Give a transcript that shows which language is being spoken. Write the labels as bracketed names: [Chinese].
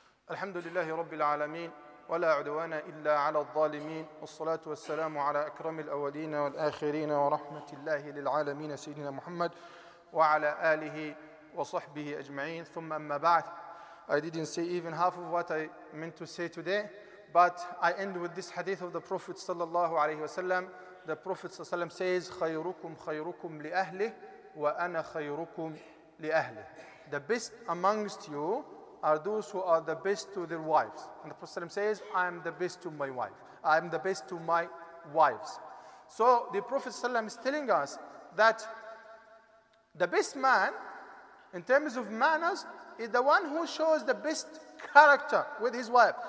[Arabic] الحمد لله رب العالمين ولا عدوان إلا على الظالمين والصلاة والسلام على أكرم الأولين والآخرين ورحمة الله للعالمين سيدنا محمد وعلى آله وصحبه أجمعين ثم أما بعد. [English] I didn't say even half of what I meant to say today, but I end with this hadith of the Prophet [Arabic] صلى الله عليه وسلم. [English] The Prophet [Arabic] صلى الله عليه وسلم [English] says, [Arabic] خيركم خيركم لأهله وأنا خيركم لأهله. [English] The best amongst you are those who are the best to their wives. And the Prophet ﷺ says, I am the best to my wife. I am the best to my wives. So the Prophet ﷺ is telling us that the best man, in terms of manners, is the one who shows the best character with his wife.